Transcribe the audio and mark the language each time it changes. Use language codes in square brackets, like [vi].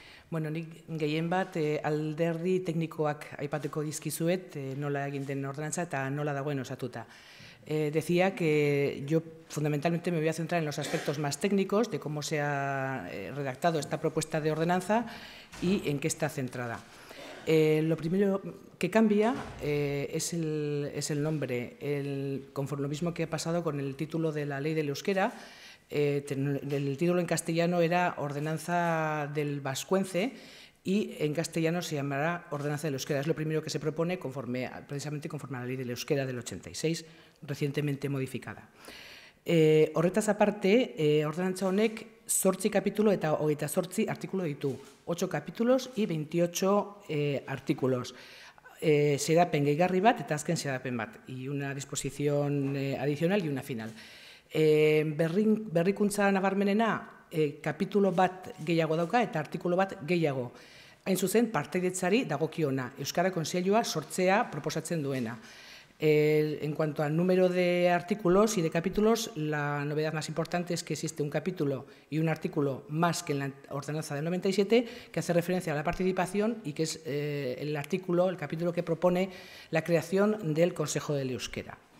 [eu] Bueno, nik gehien bat alderdi teknikoak aipateko dizkizuet, nola egin den ordenantza eta nola dagoen osatuta. [es] Decía que yo fundamentalmente me voy a centrar en los aspectos más técnicos de cómo se ha redactado esta propuesta de ordenanza y en qué está centrada. Lo primero que cambia es el nombre. Conforme lo mismo que ha pasado con el título de la ley del euskera, el título en castellano era Ordenanza del Vascuence y en castellano se llamará Ordenanza del Euskera. Es lo primero que se propone precisamente conforme a la ley del euskera del 86, recientemente modificada. [eu] Horretaz aparte, ordenantza honek 8 kapitulo eta 28 artikulo ditu. [es] 8 kapitulos y 28 artículos. [eu] Xedapen gehigarri bat eta azken xedapen bat. [es] Y una disposición adicional y una final. [eu] Berrikuntza nabarmenena kapitulo bat gehiago dauka eta artikulo bat gehiago. Hain zuzen, partaidetzari dagokiona. Euskara Kontseilua sortzea proposatzen duena. [es] En cuanto al número de artículos y de capítulos, la novedad más importante es que existe un capítulo y un artículo más que en la ordenanza del 97 que hace referencia a la participación y que es el capítulo que propone la creación del Consejo del Euskera.